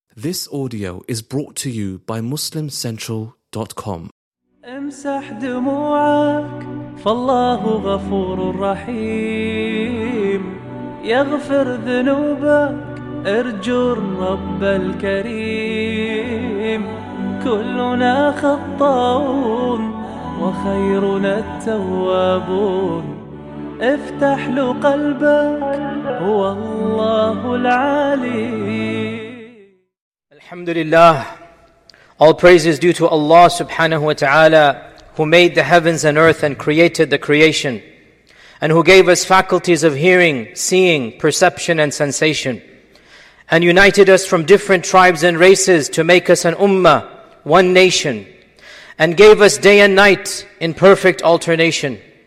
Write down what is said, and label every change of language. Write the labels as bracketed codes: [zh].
[en] This audio is brought to you by MuslimCentral.com. [ar] امسح دموعك فالله غفور رحيم يغفر ذنوبك ارجو الرب الكريم كلنا خطاؤون وخيرنا التوابون افتح له قلبك هو الله العليم. [en] Alhamdulillah, all praise is due to Allah subhanahu wa ta'ala, who made the heavens and earth and created the creation, and who gave us faculties of hearing, seeing, perception and sensation, and united us from different tribes and races to make us an ummah, one nation, and gave us day and night in perfect alternation,